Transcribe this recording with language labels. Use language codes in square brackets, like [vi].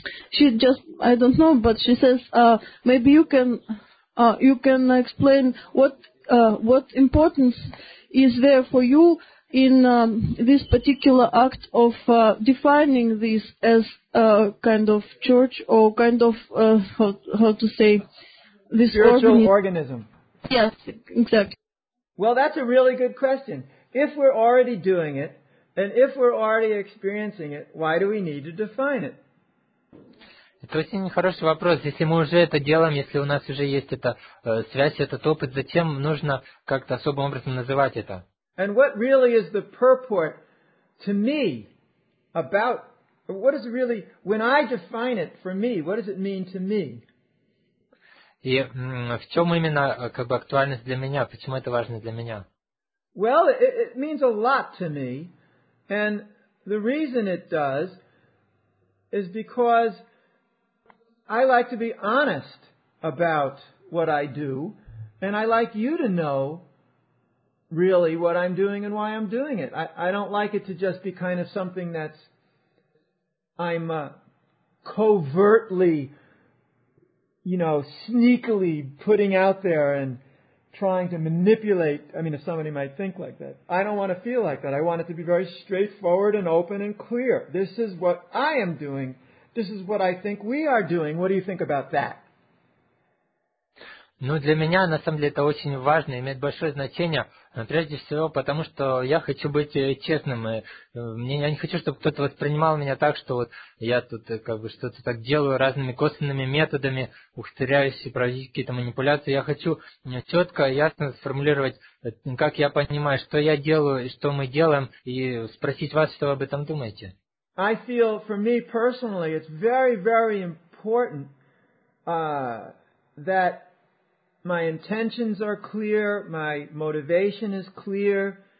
[en] she just, I don't know, but she says maybe you can explain what importance is there for you in this particular act of defining this as a kind of church or kind of how to say this spiritual organism. Yes, exactly. Well, that's a really good question. If we're already doing it, and if we're already experiencing it, why do we need to define it? [ru] Это очень хороший вопрос. Если мы уже это делаем, если у нас уже есть эта связь, этот опыт, зачем нужно как-то особым образом называть это? [en] And what really is the purport to me about, what is really, when I define it for me, what does it mean to me? [ru] И в чем именно как бы актуальность для меня? Почему это важно для меня? [en] Well, it means a lot to me. And the reason it does is because I like to be honest about what I do. And I like you to know really what I'm doing and why I'm doing it. I don't like it to just be kind of something that's I'm covertly... you know, sneakily putting out there and trying to manipulate. I mean, if somebody might think like that, I don't want to feel like that. I want it to be very straightforward and open and clear. This is what I am doing. This is what I think we are doing. What do you think about that? [ru] Ну, для меня, на самом деле, это очень важно, имеет большое значение, прежде всего, потому что я хочу быть честным. Я не хочу, чтобы кто-то воспринимал меня так, что вот я тут как бы что-то так делаю разными косвенными методами, ухитряюсь и проводить какие-то манипуляции. Я хочу четко, ясно сформулировать, как я понимаю, что я делаю и что мы делаем, и спросить вас, что вы об этом думаете. [en] I feel for me personally, it's very, very important that my intentions are clear, my motivation is clear.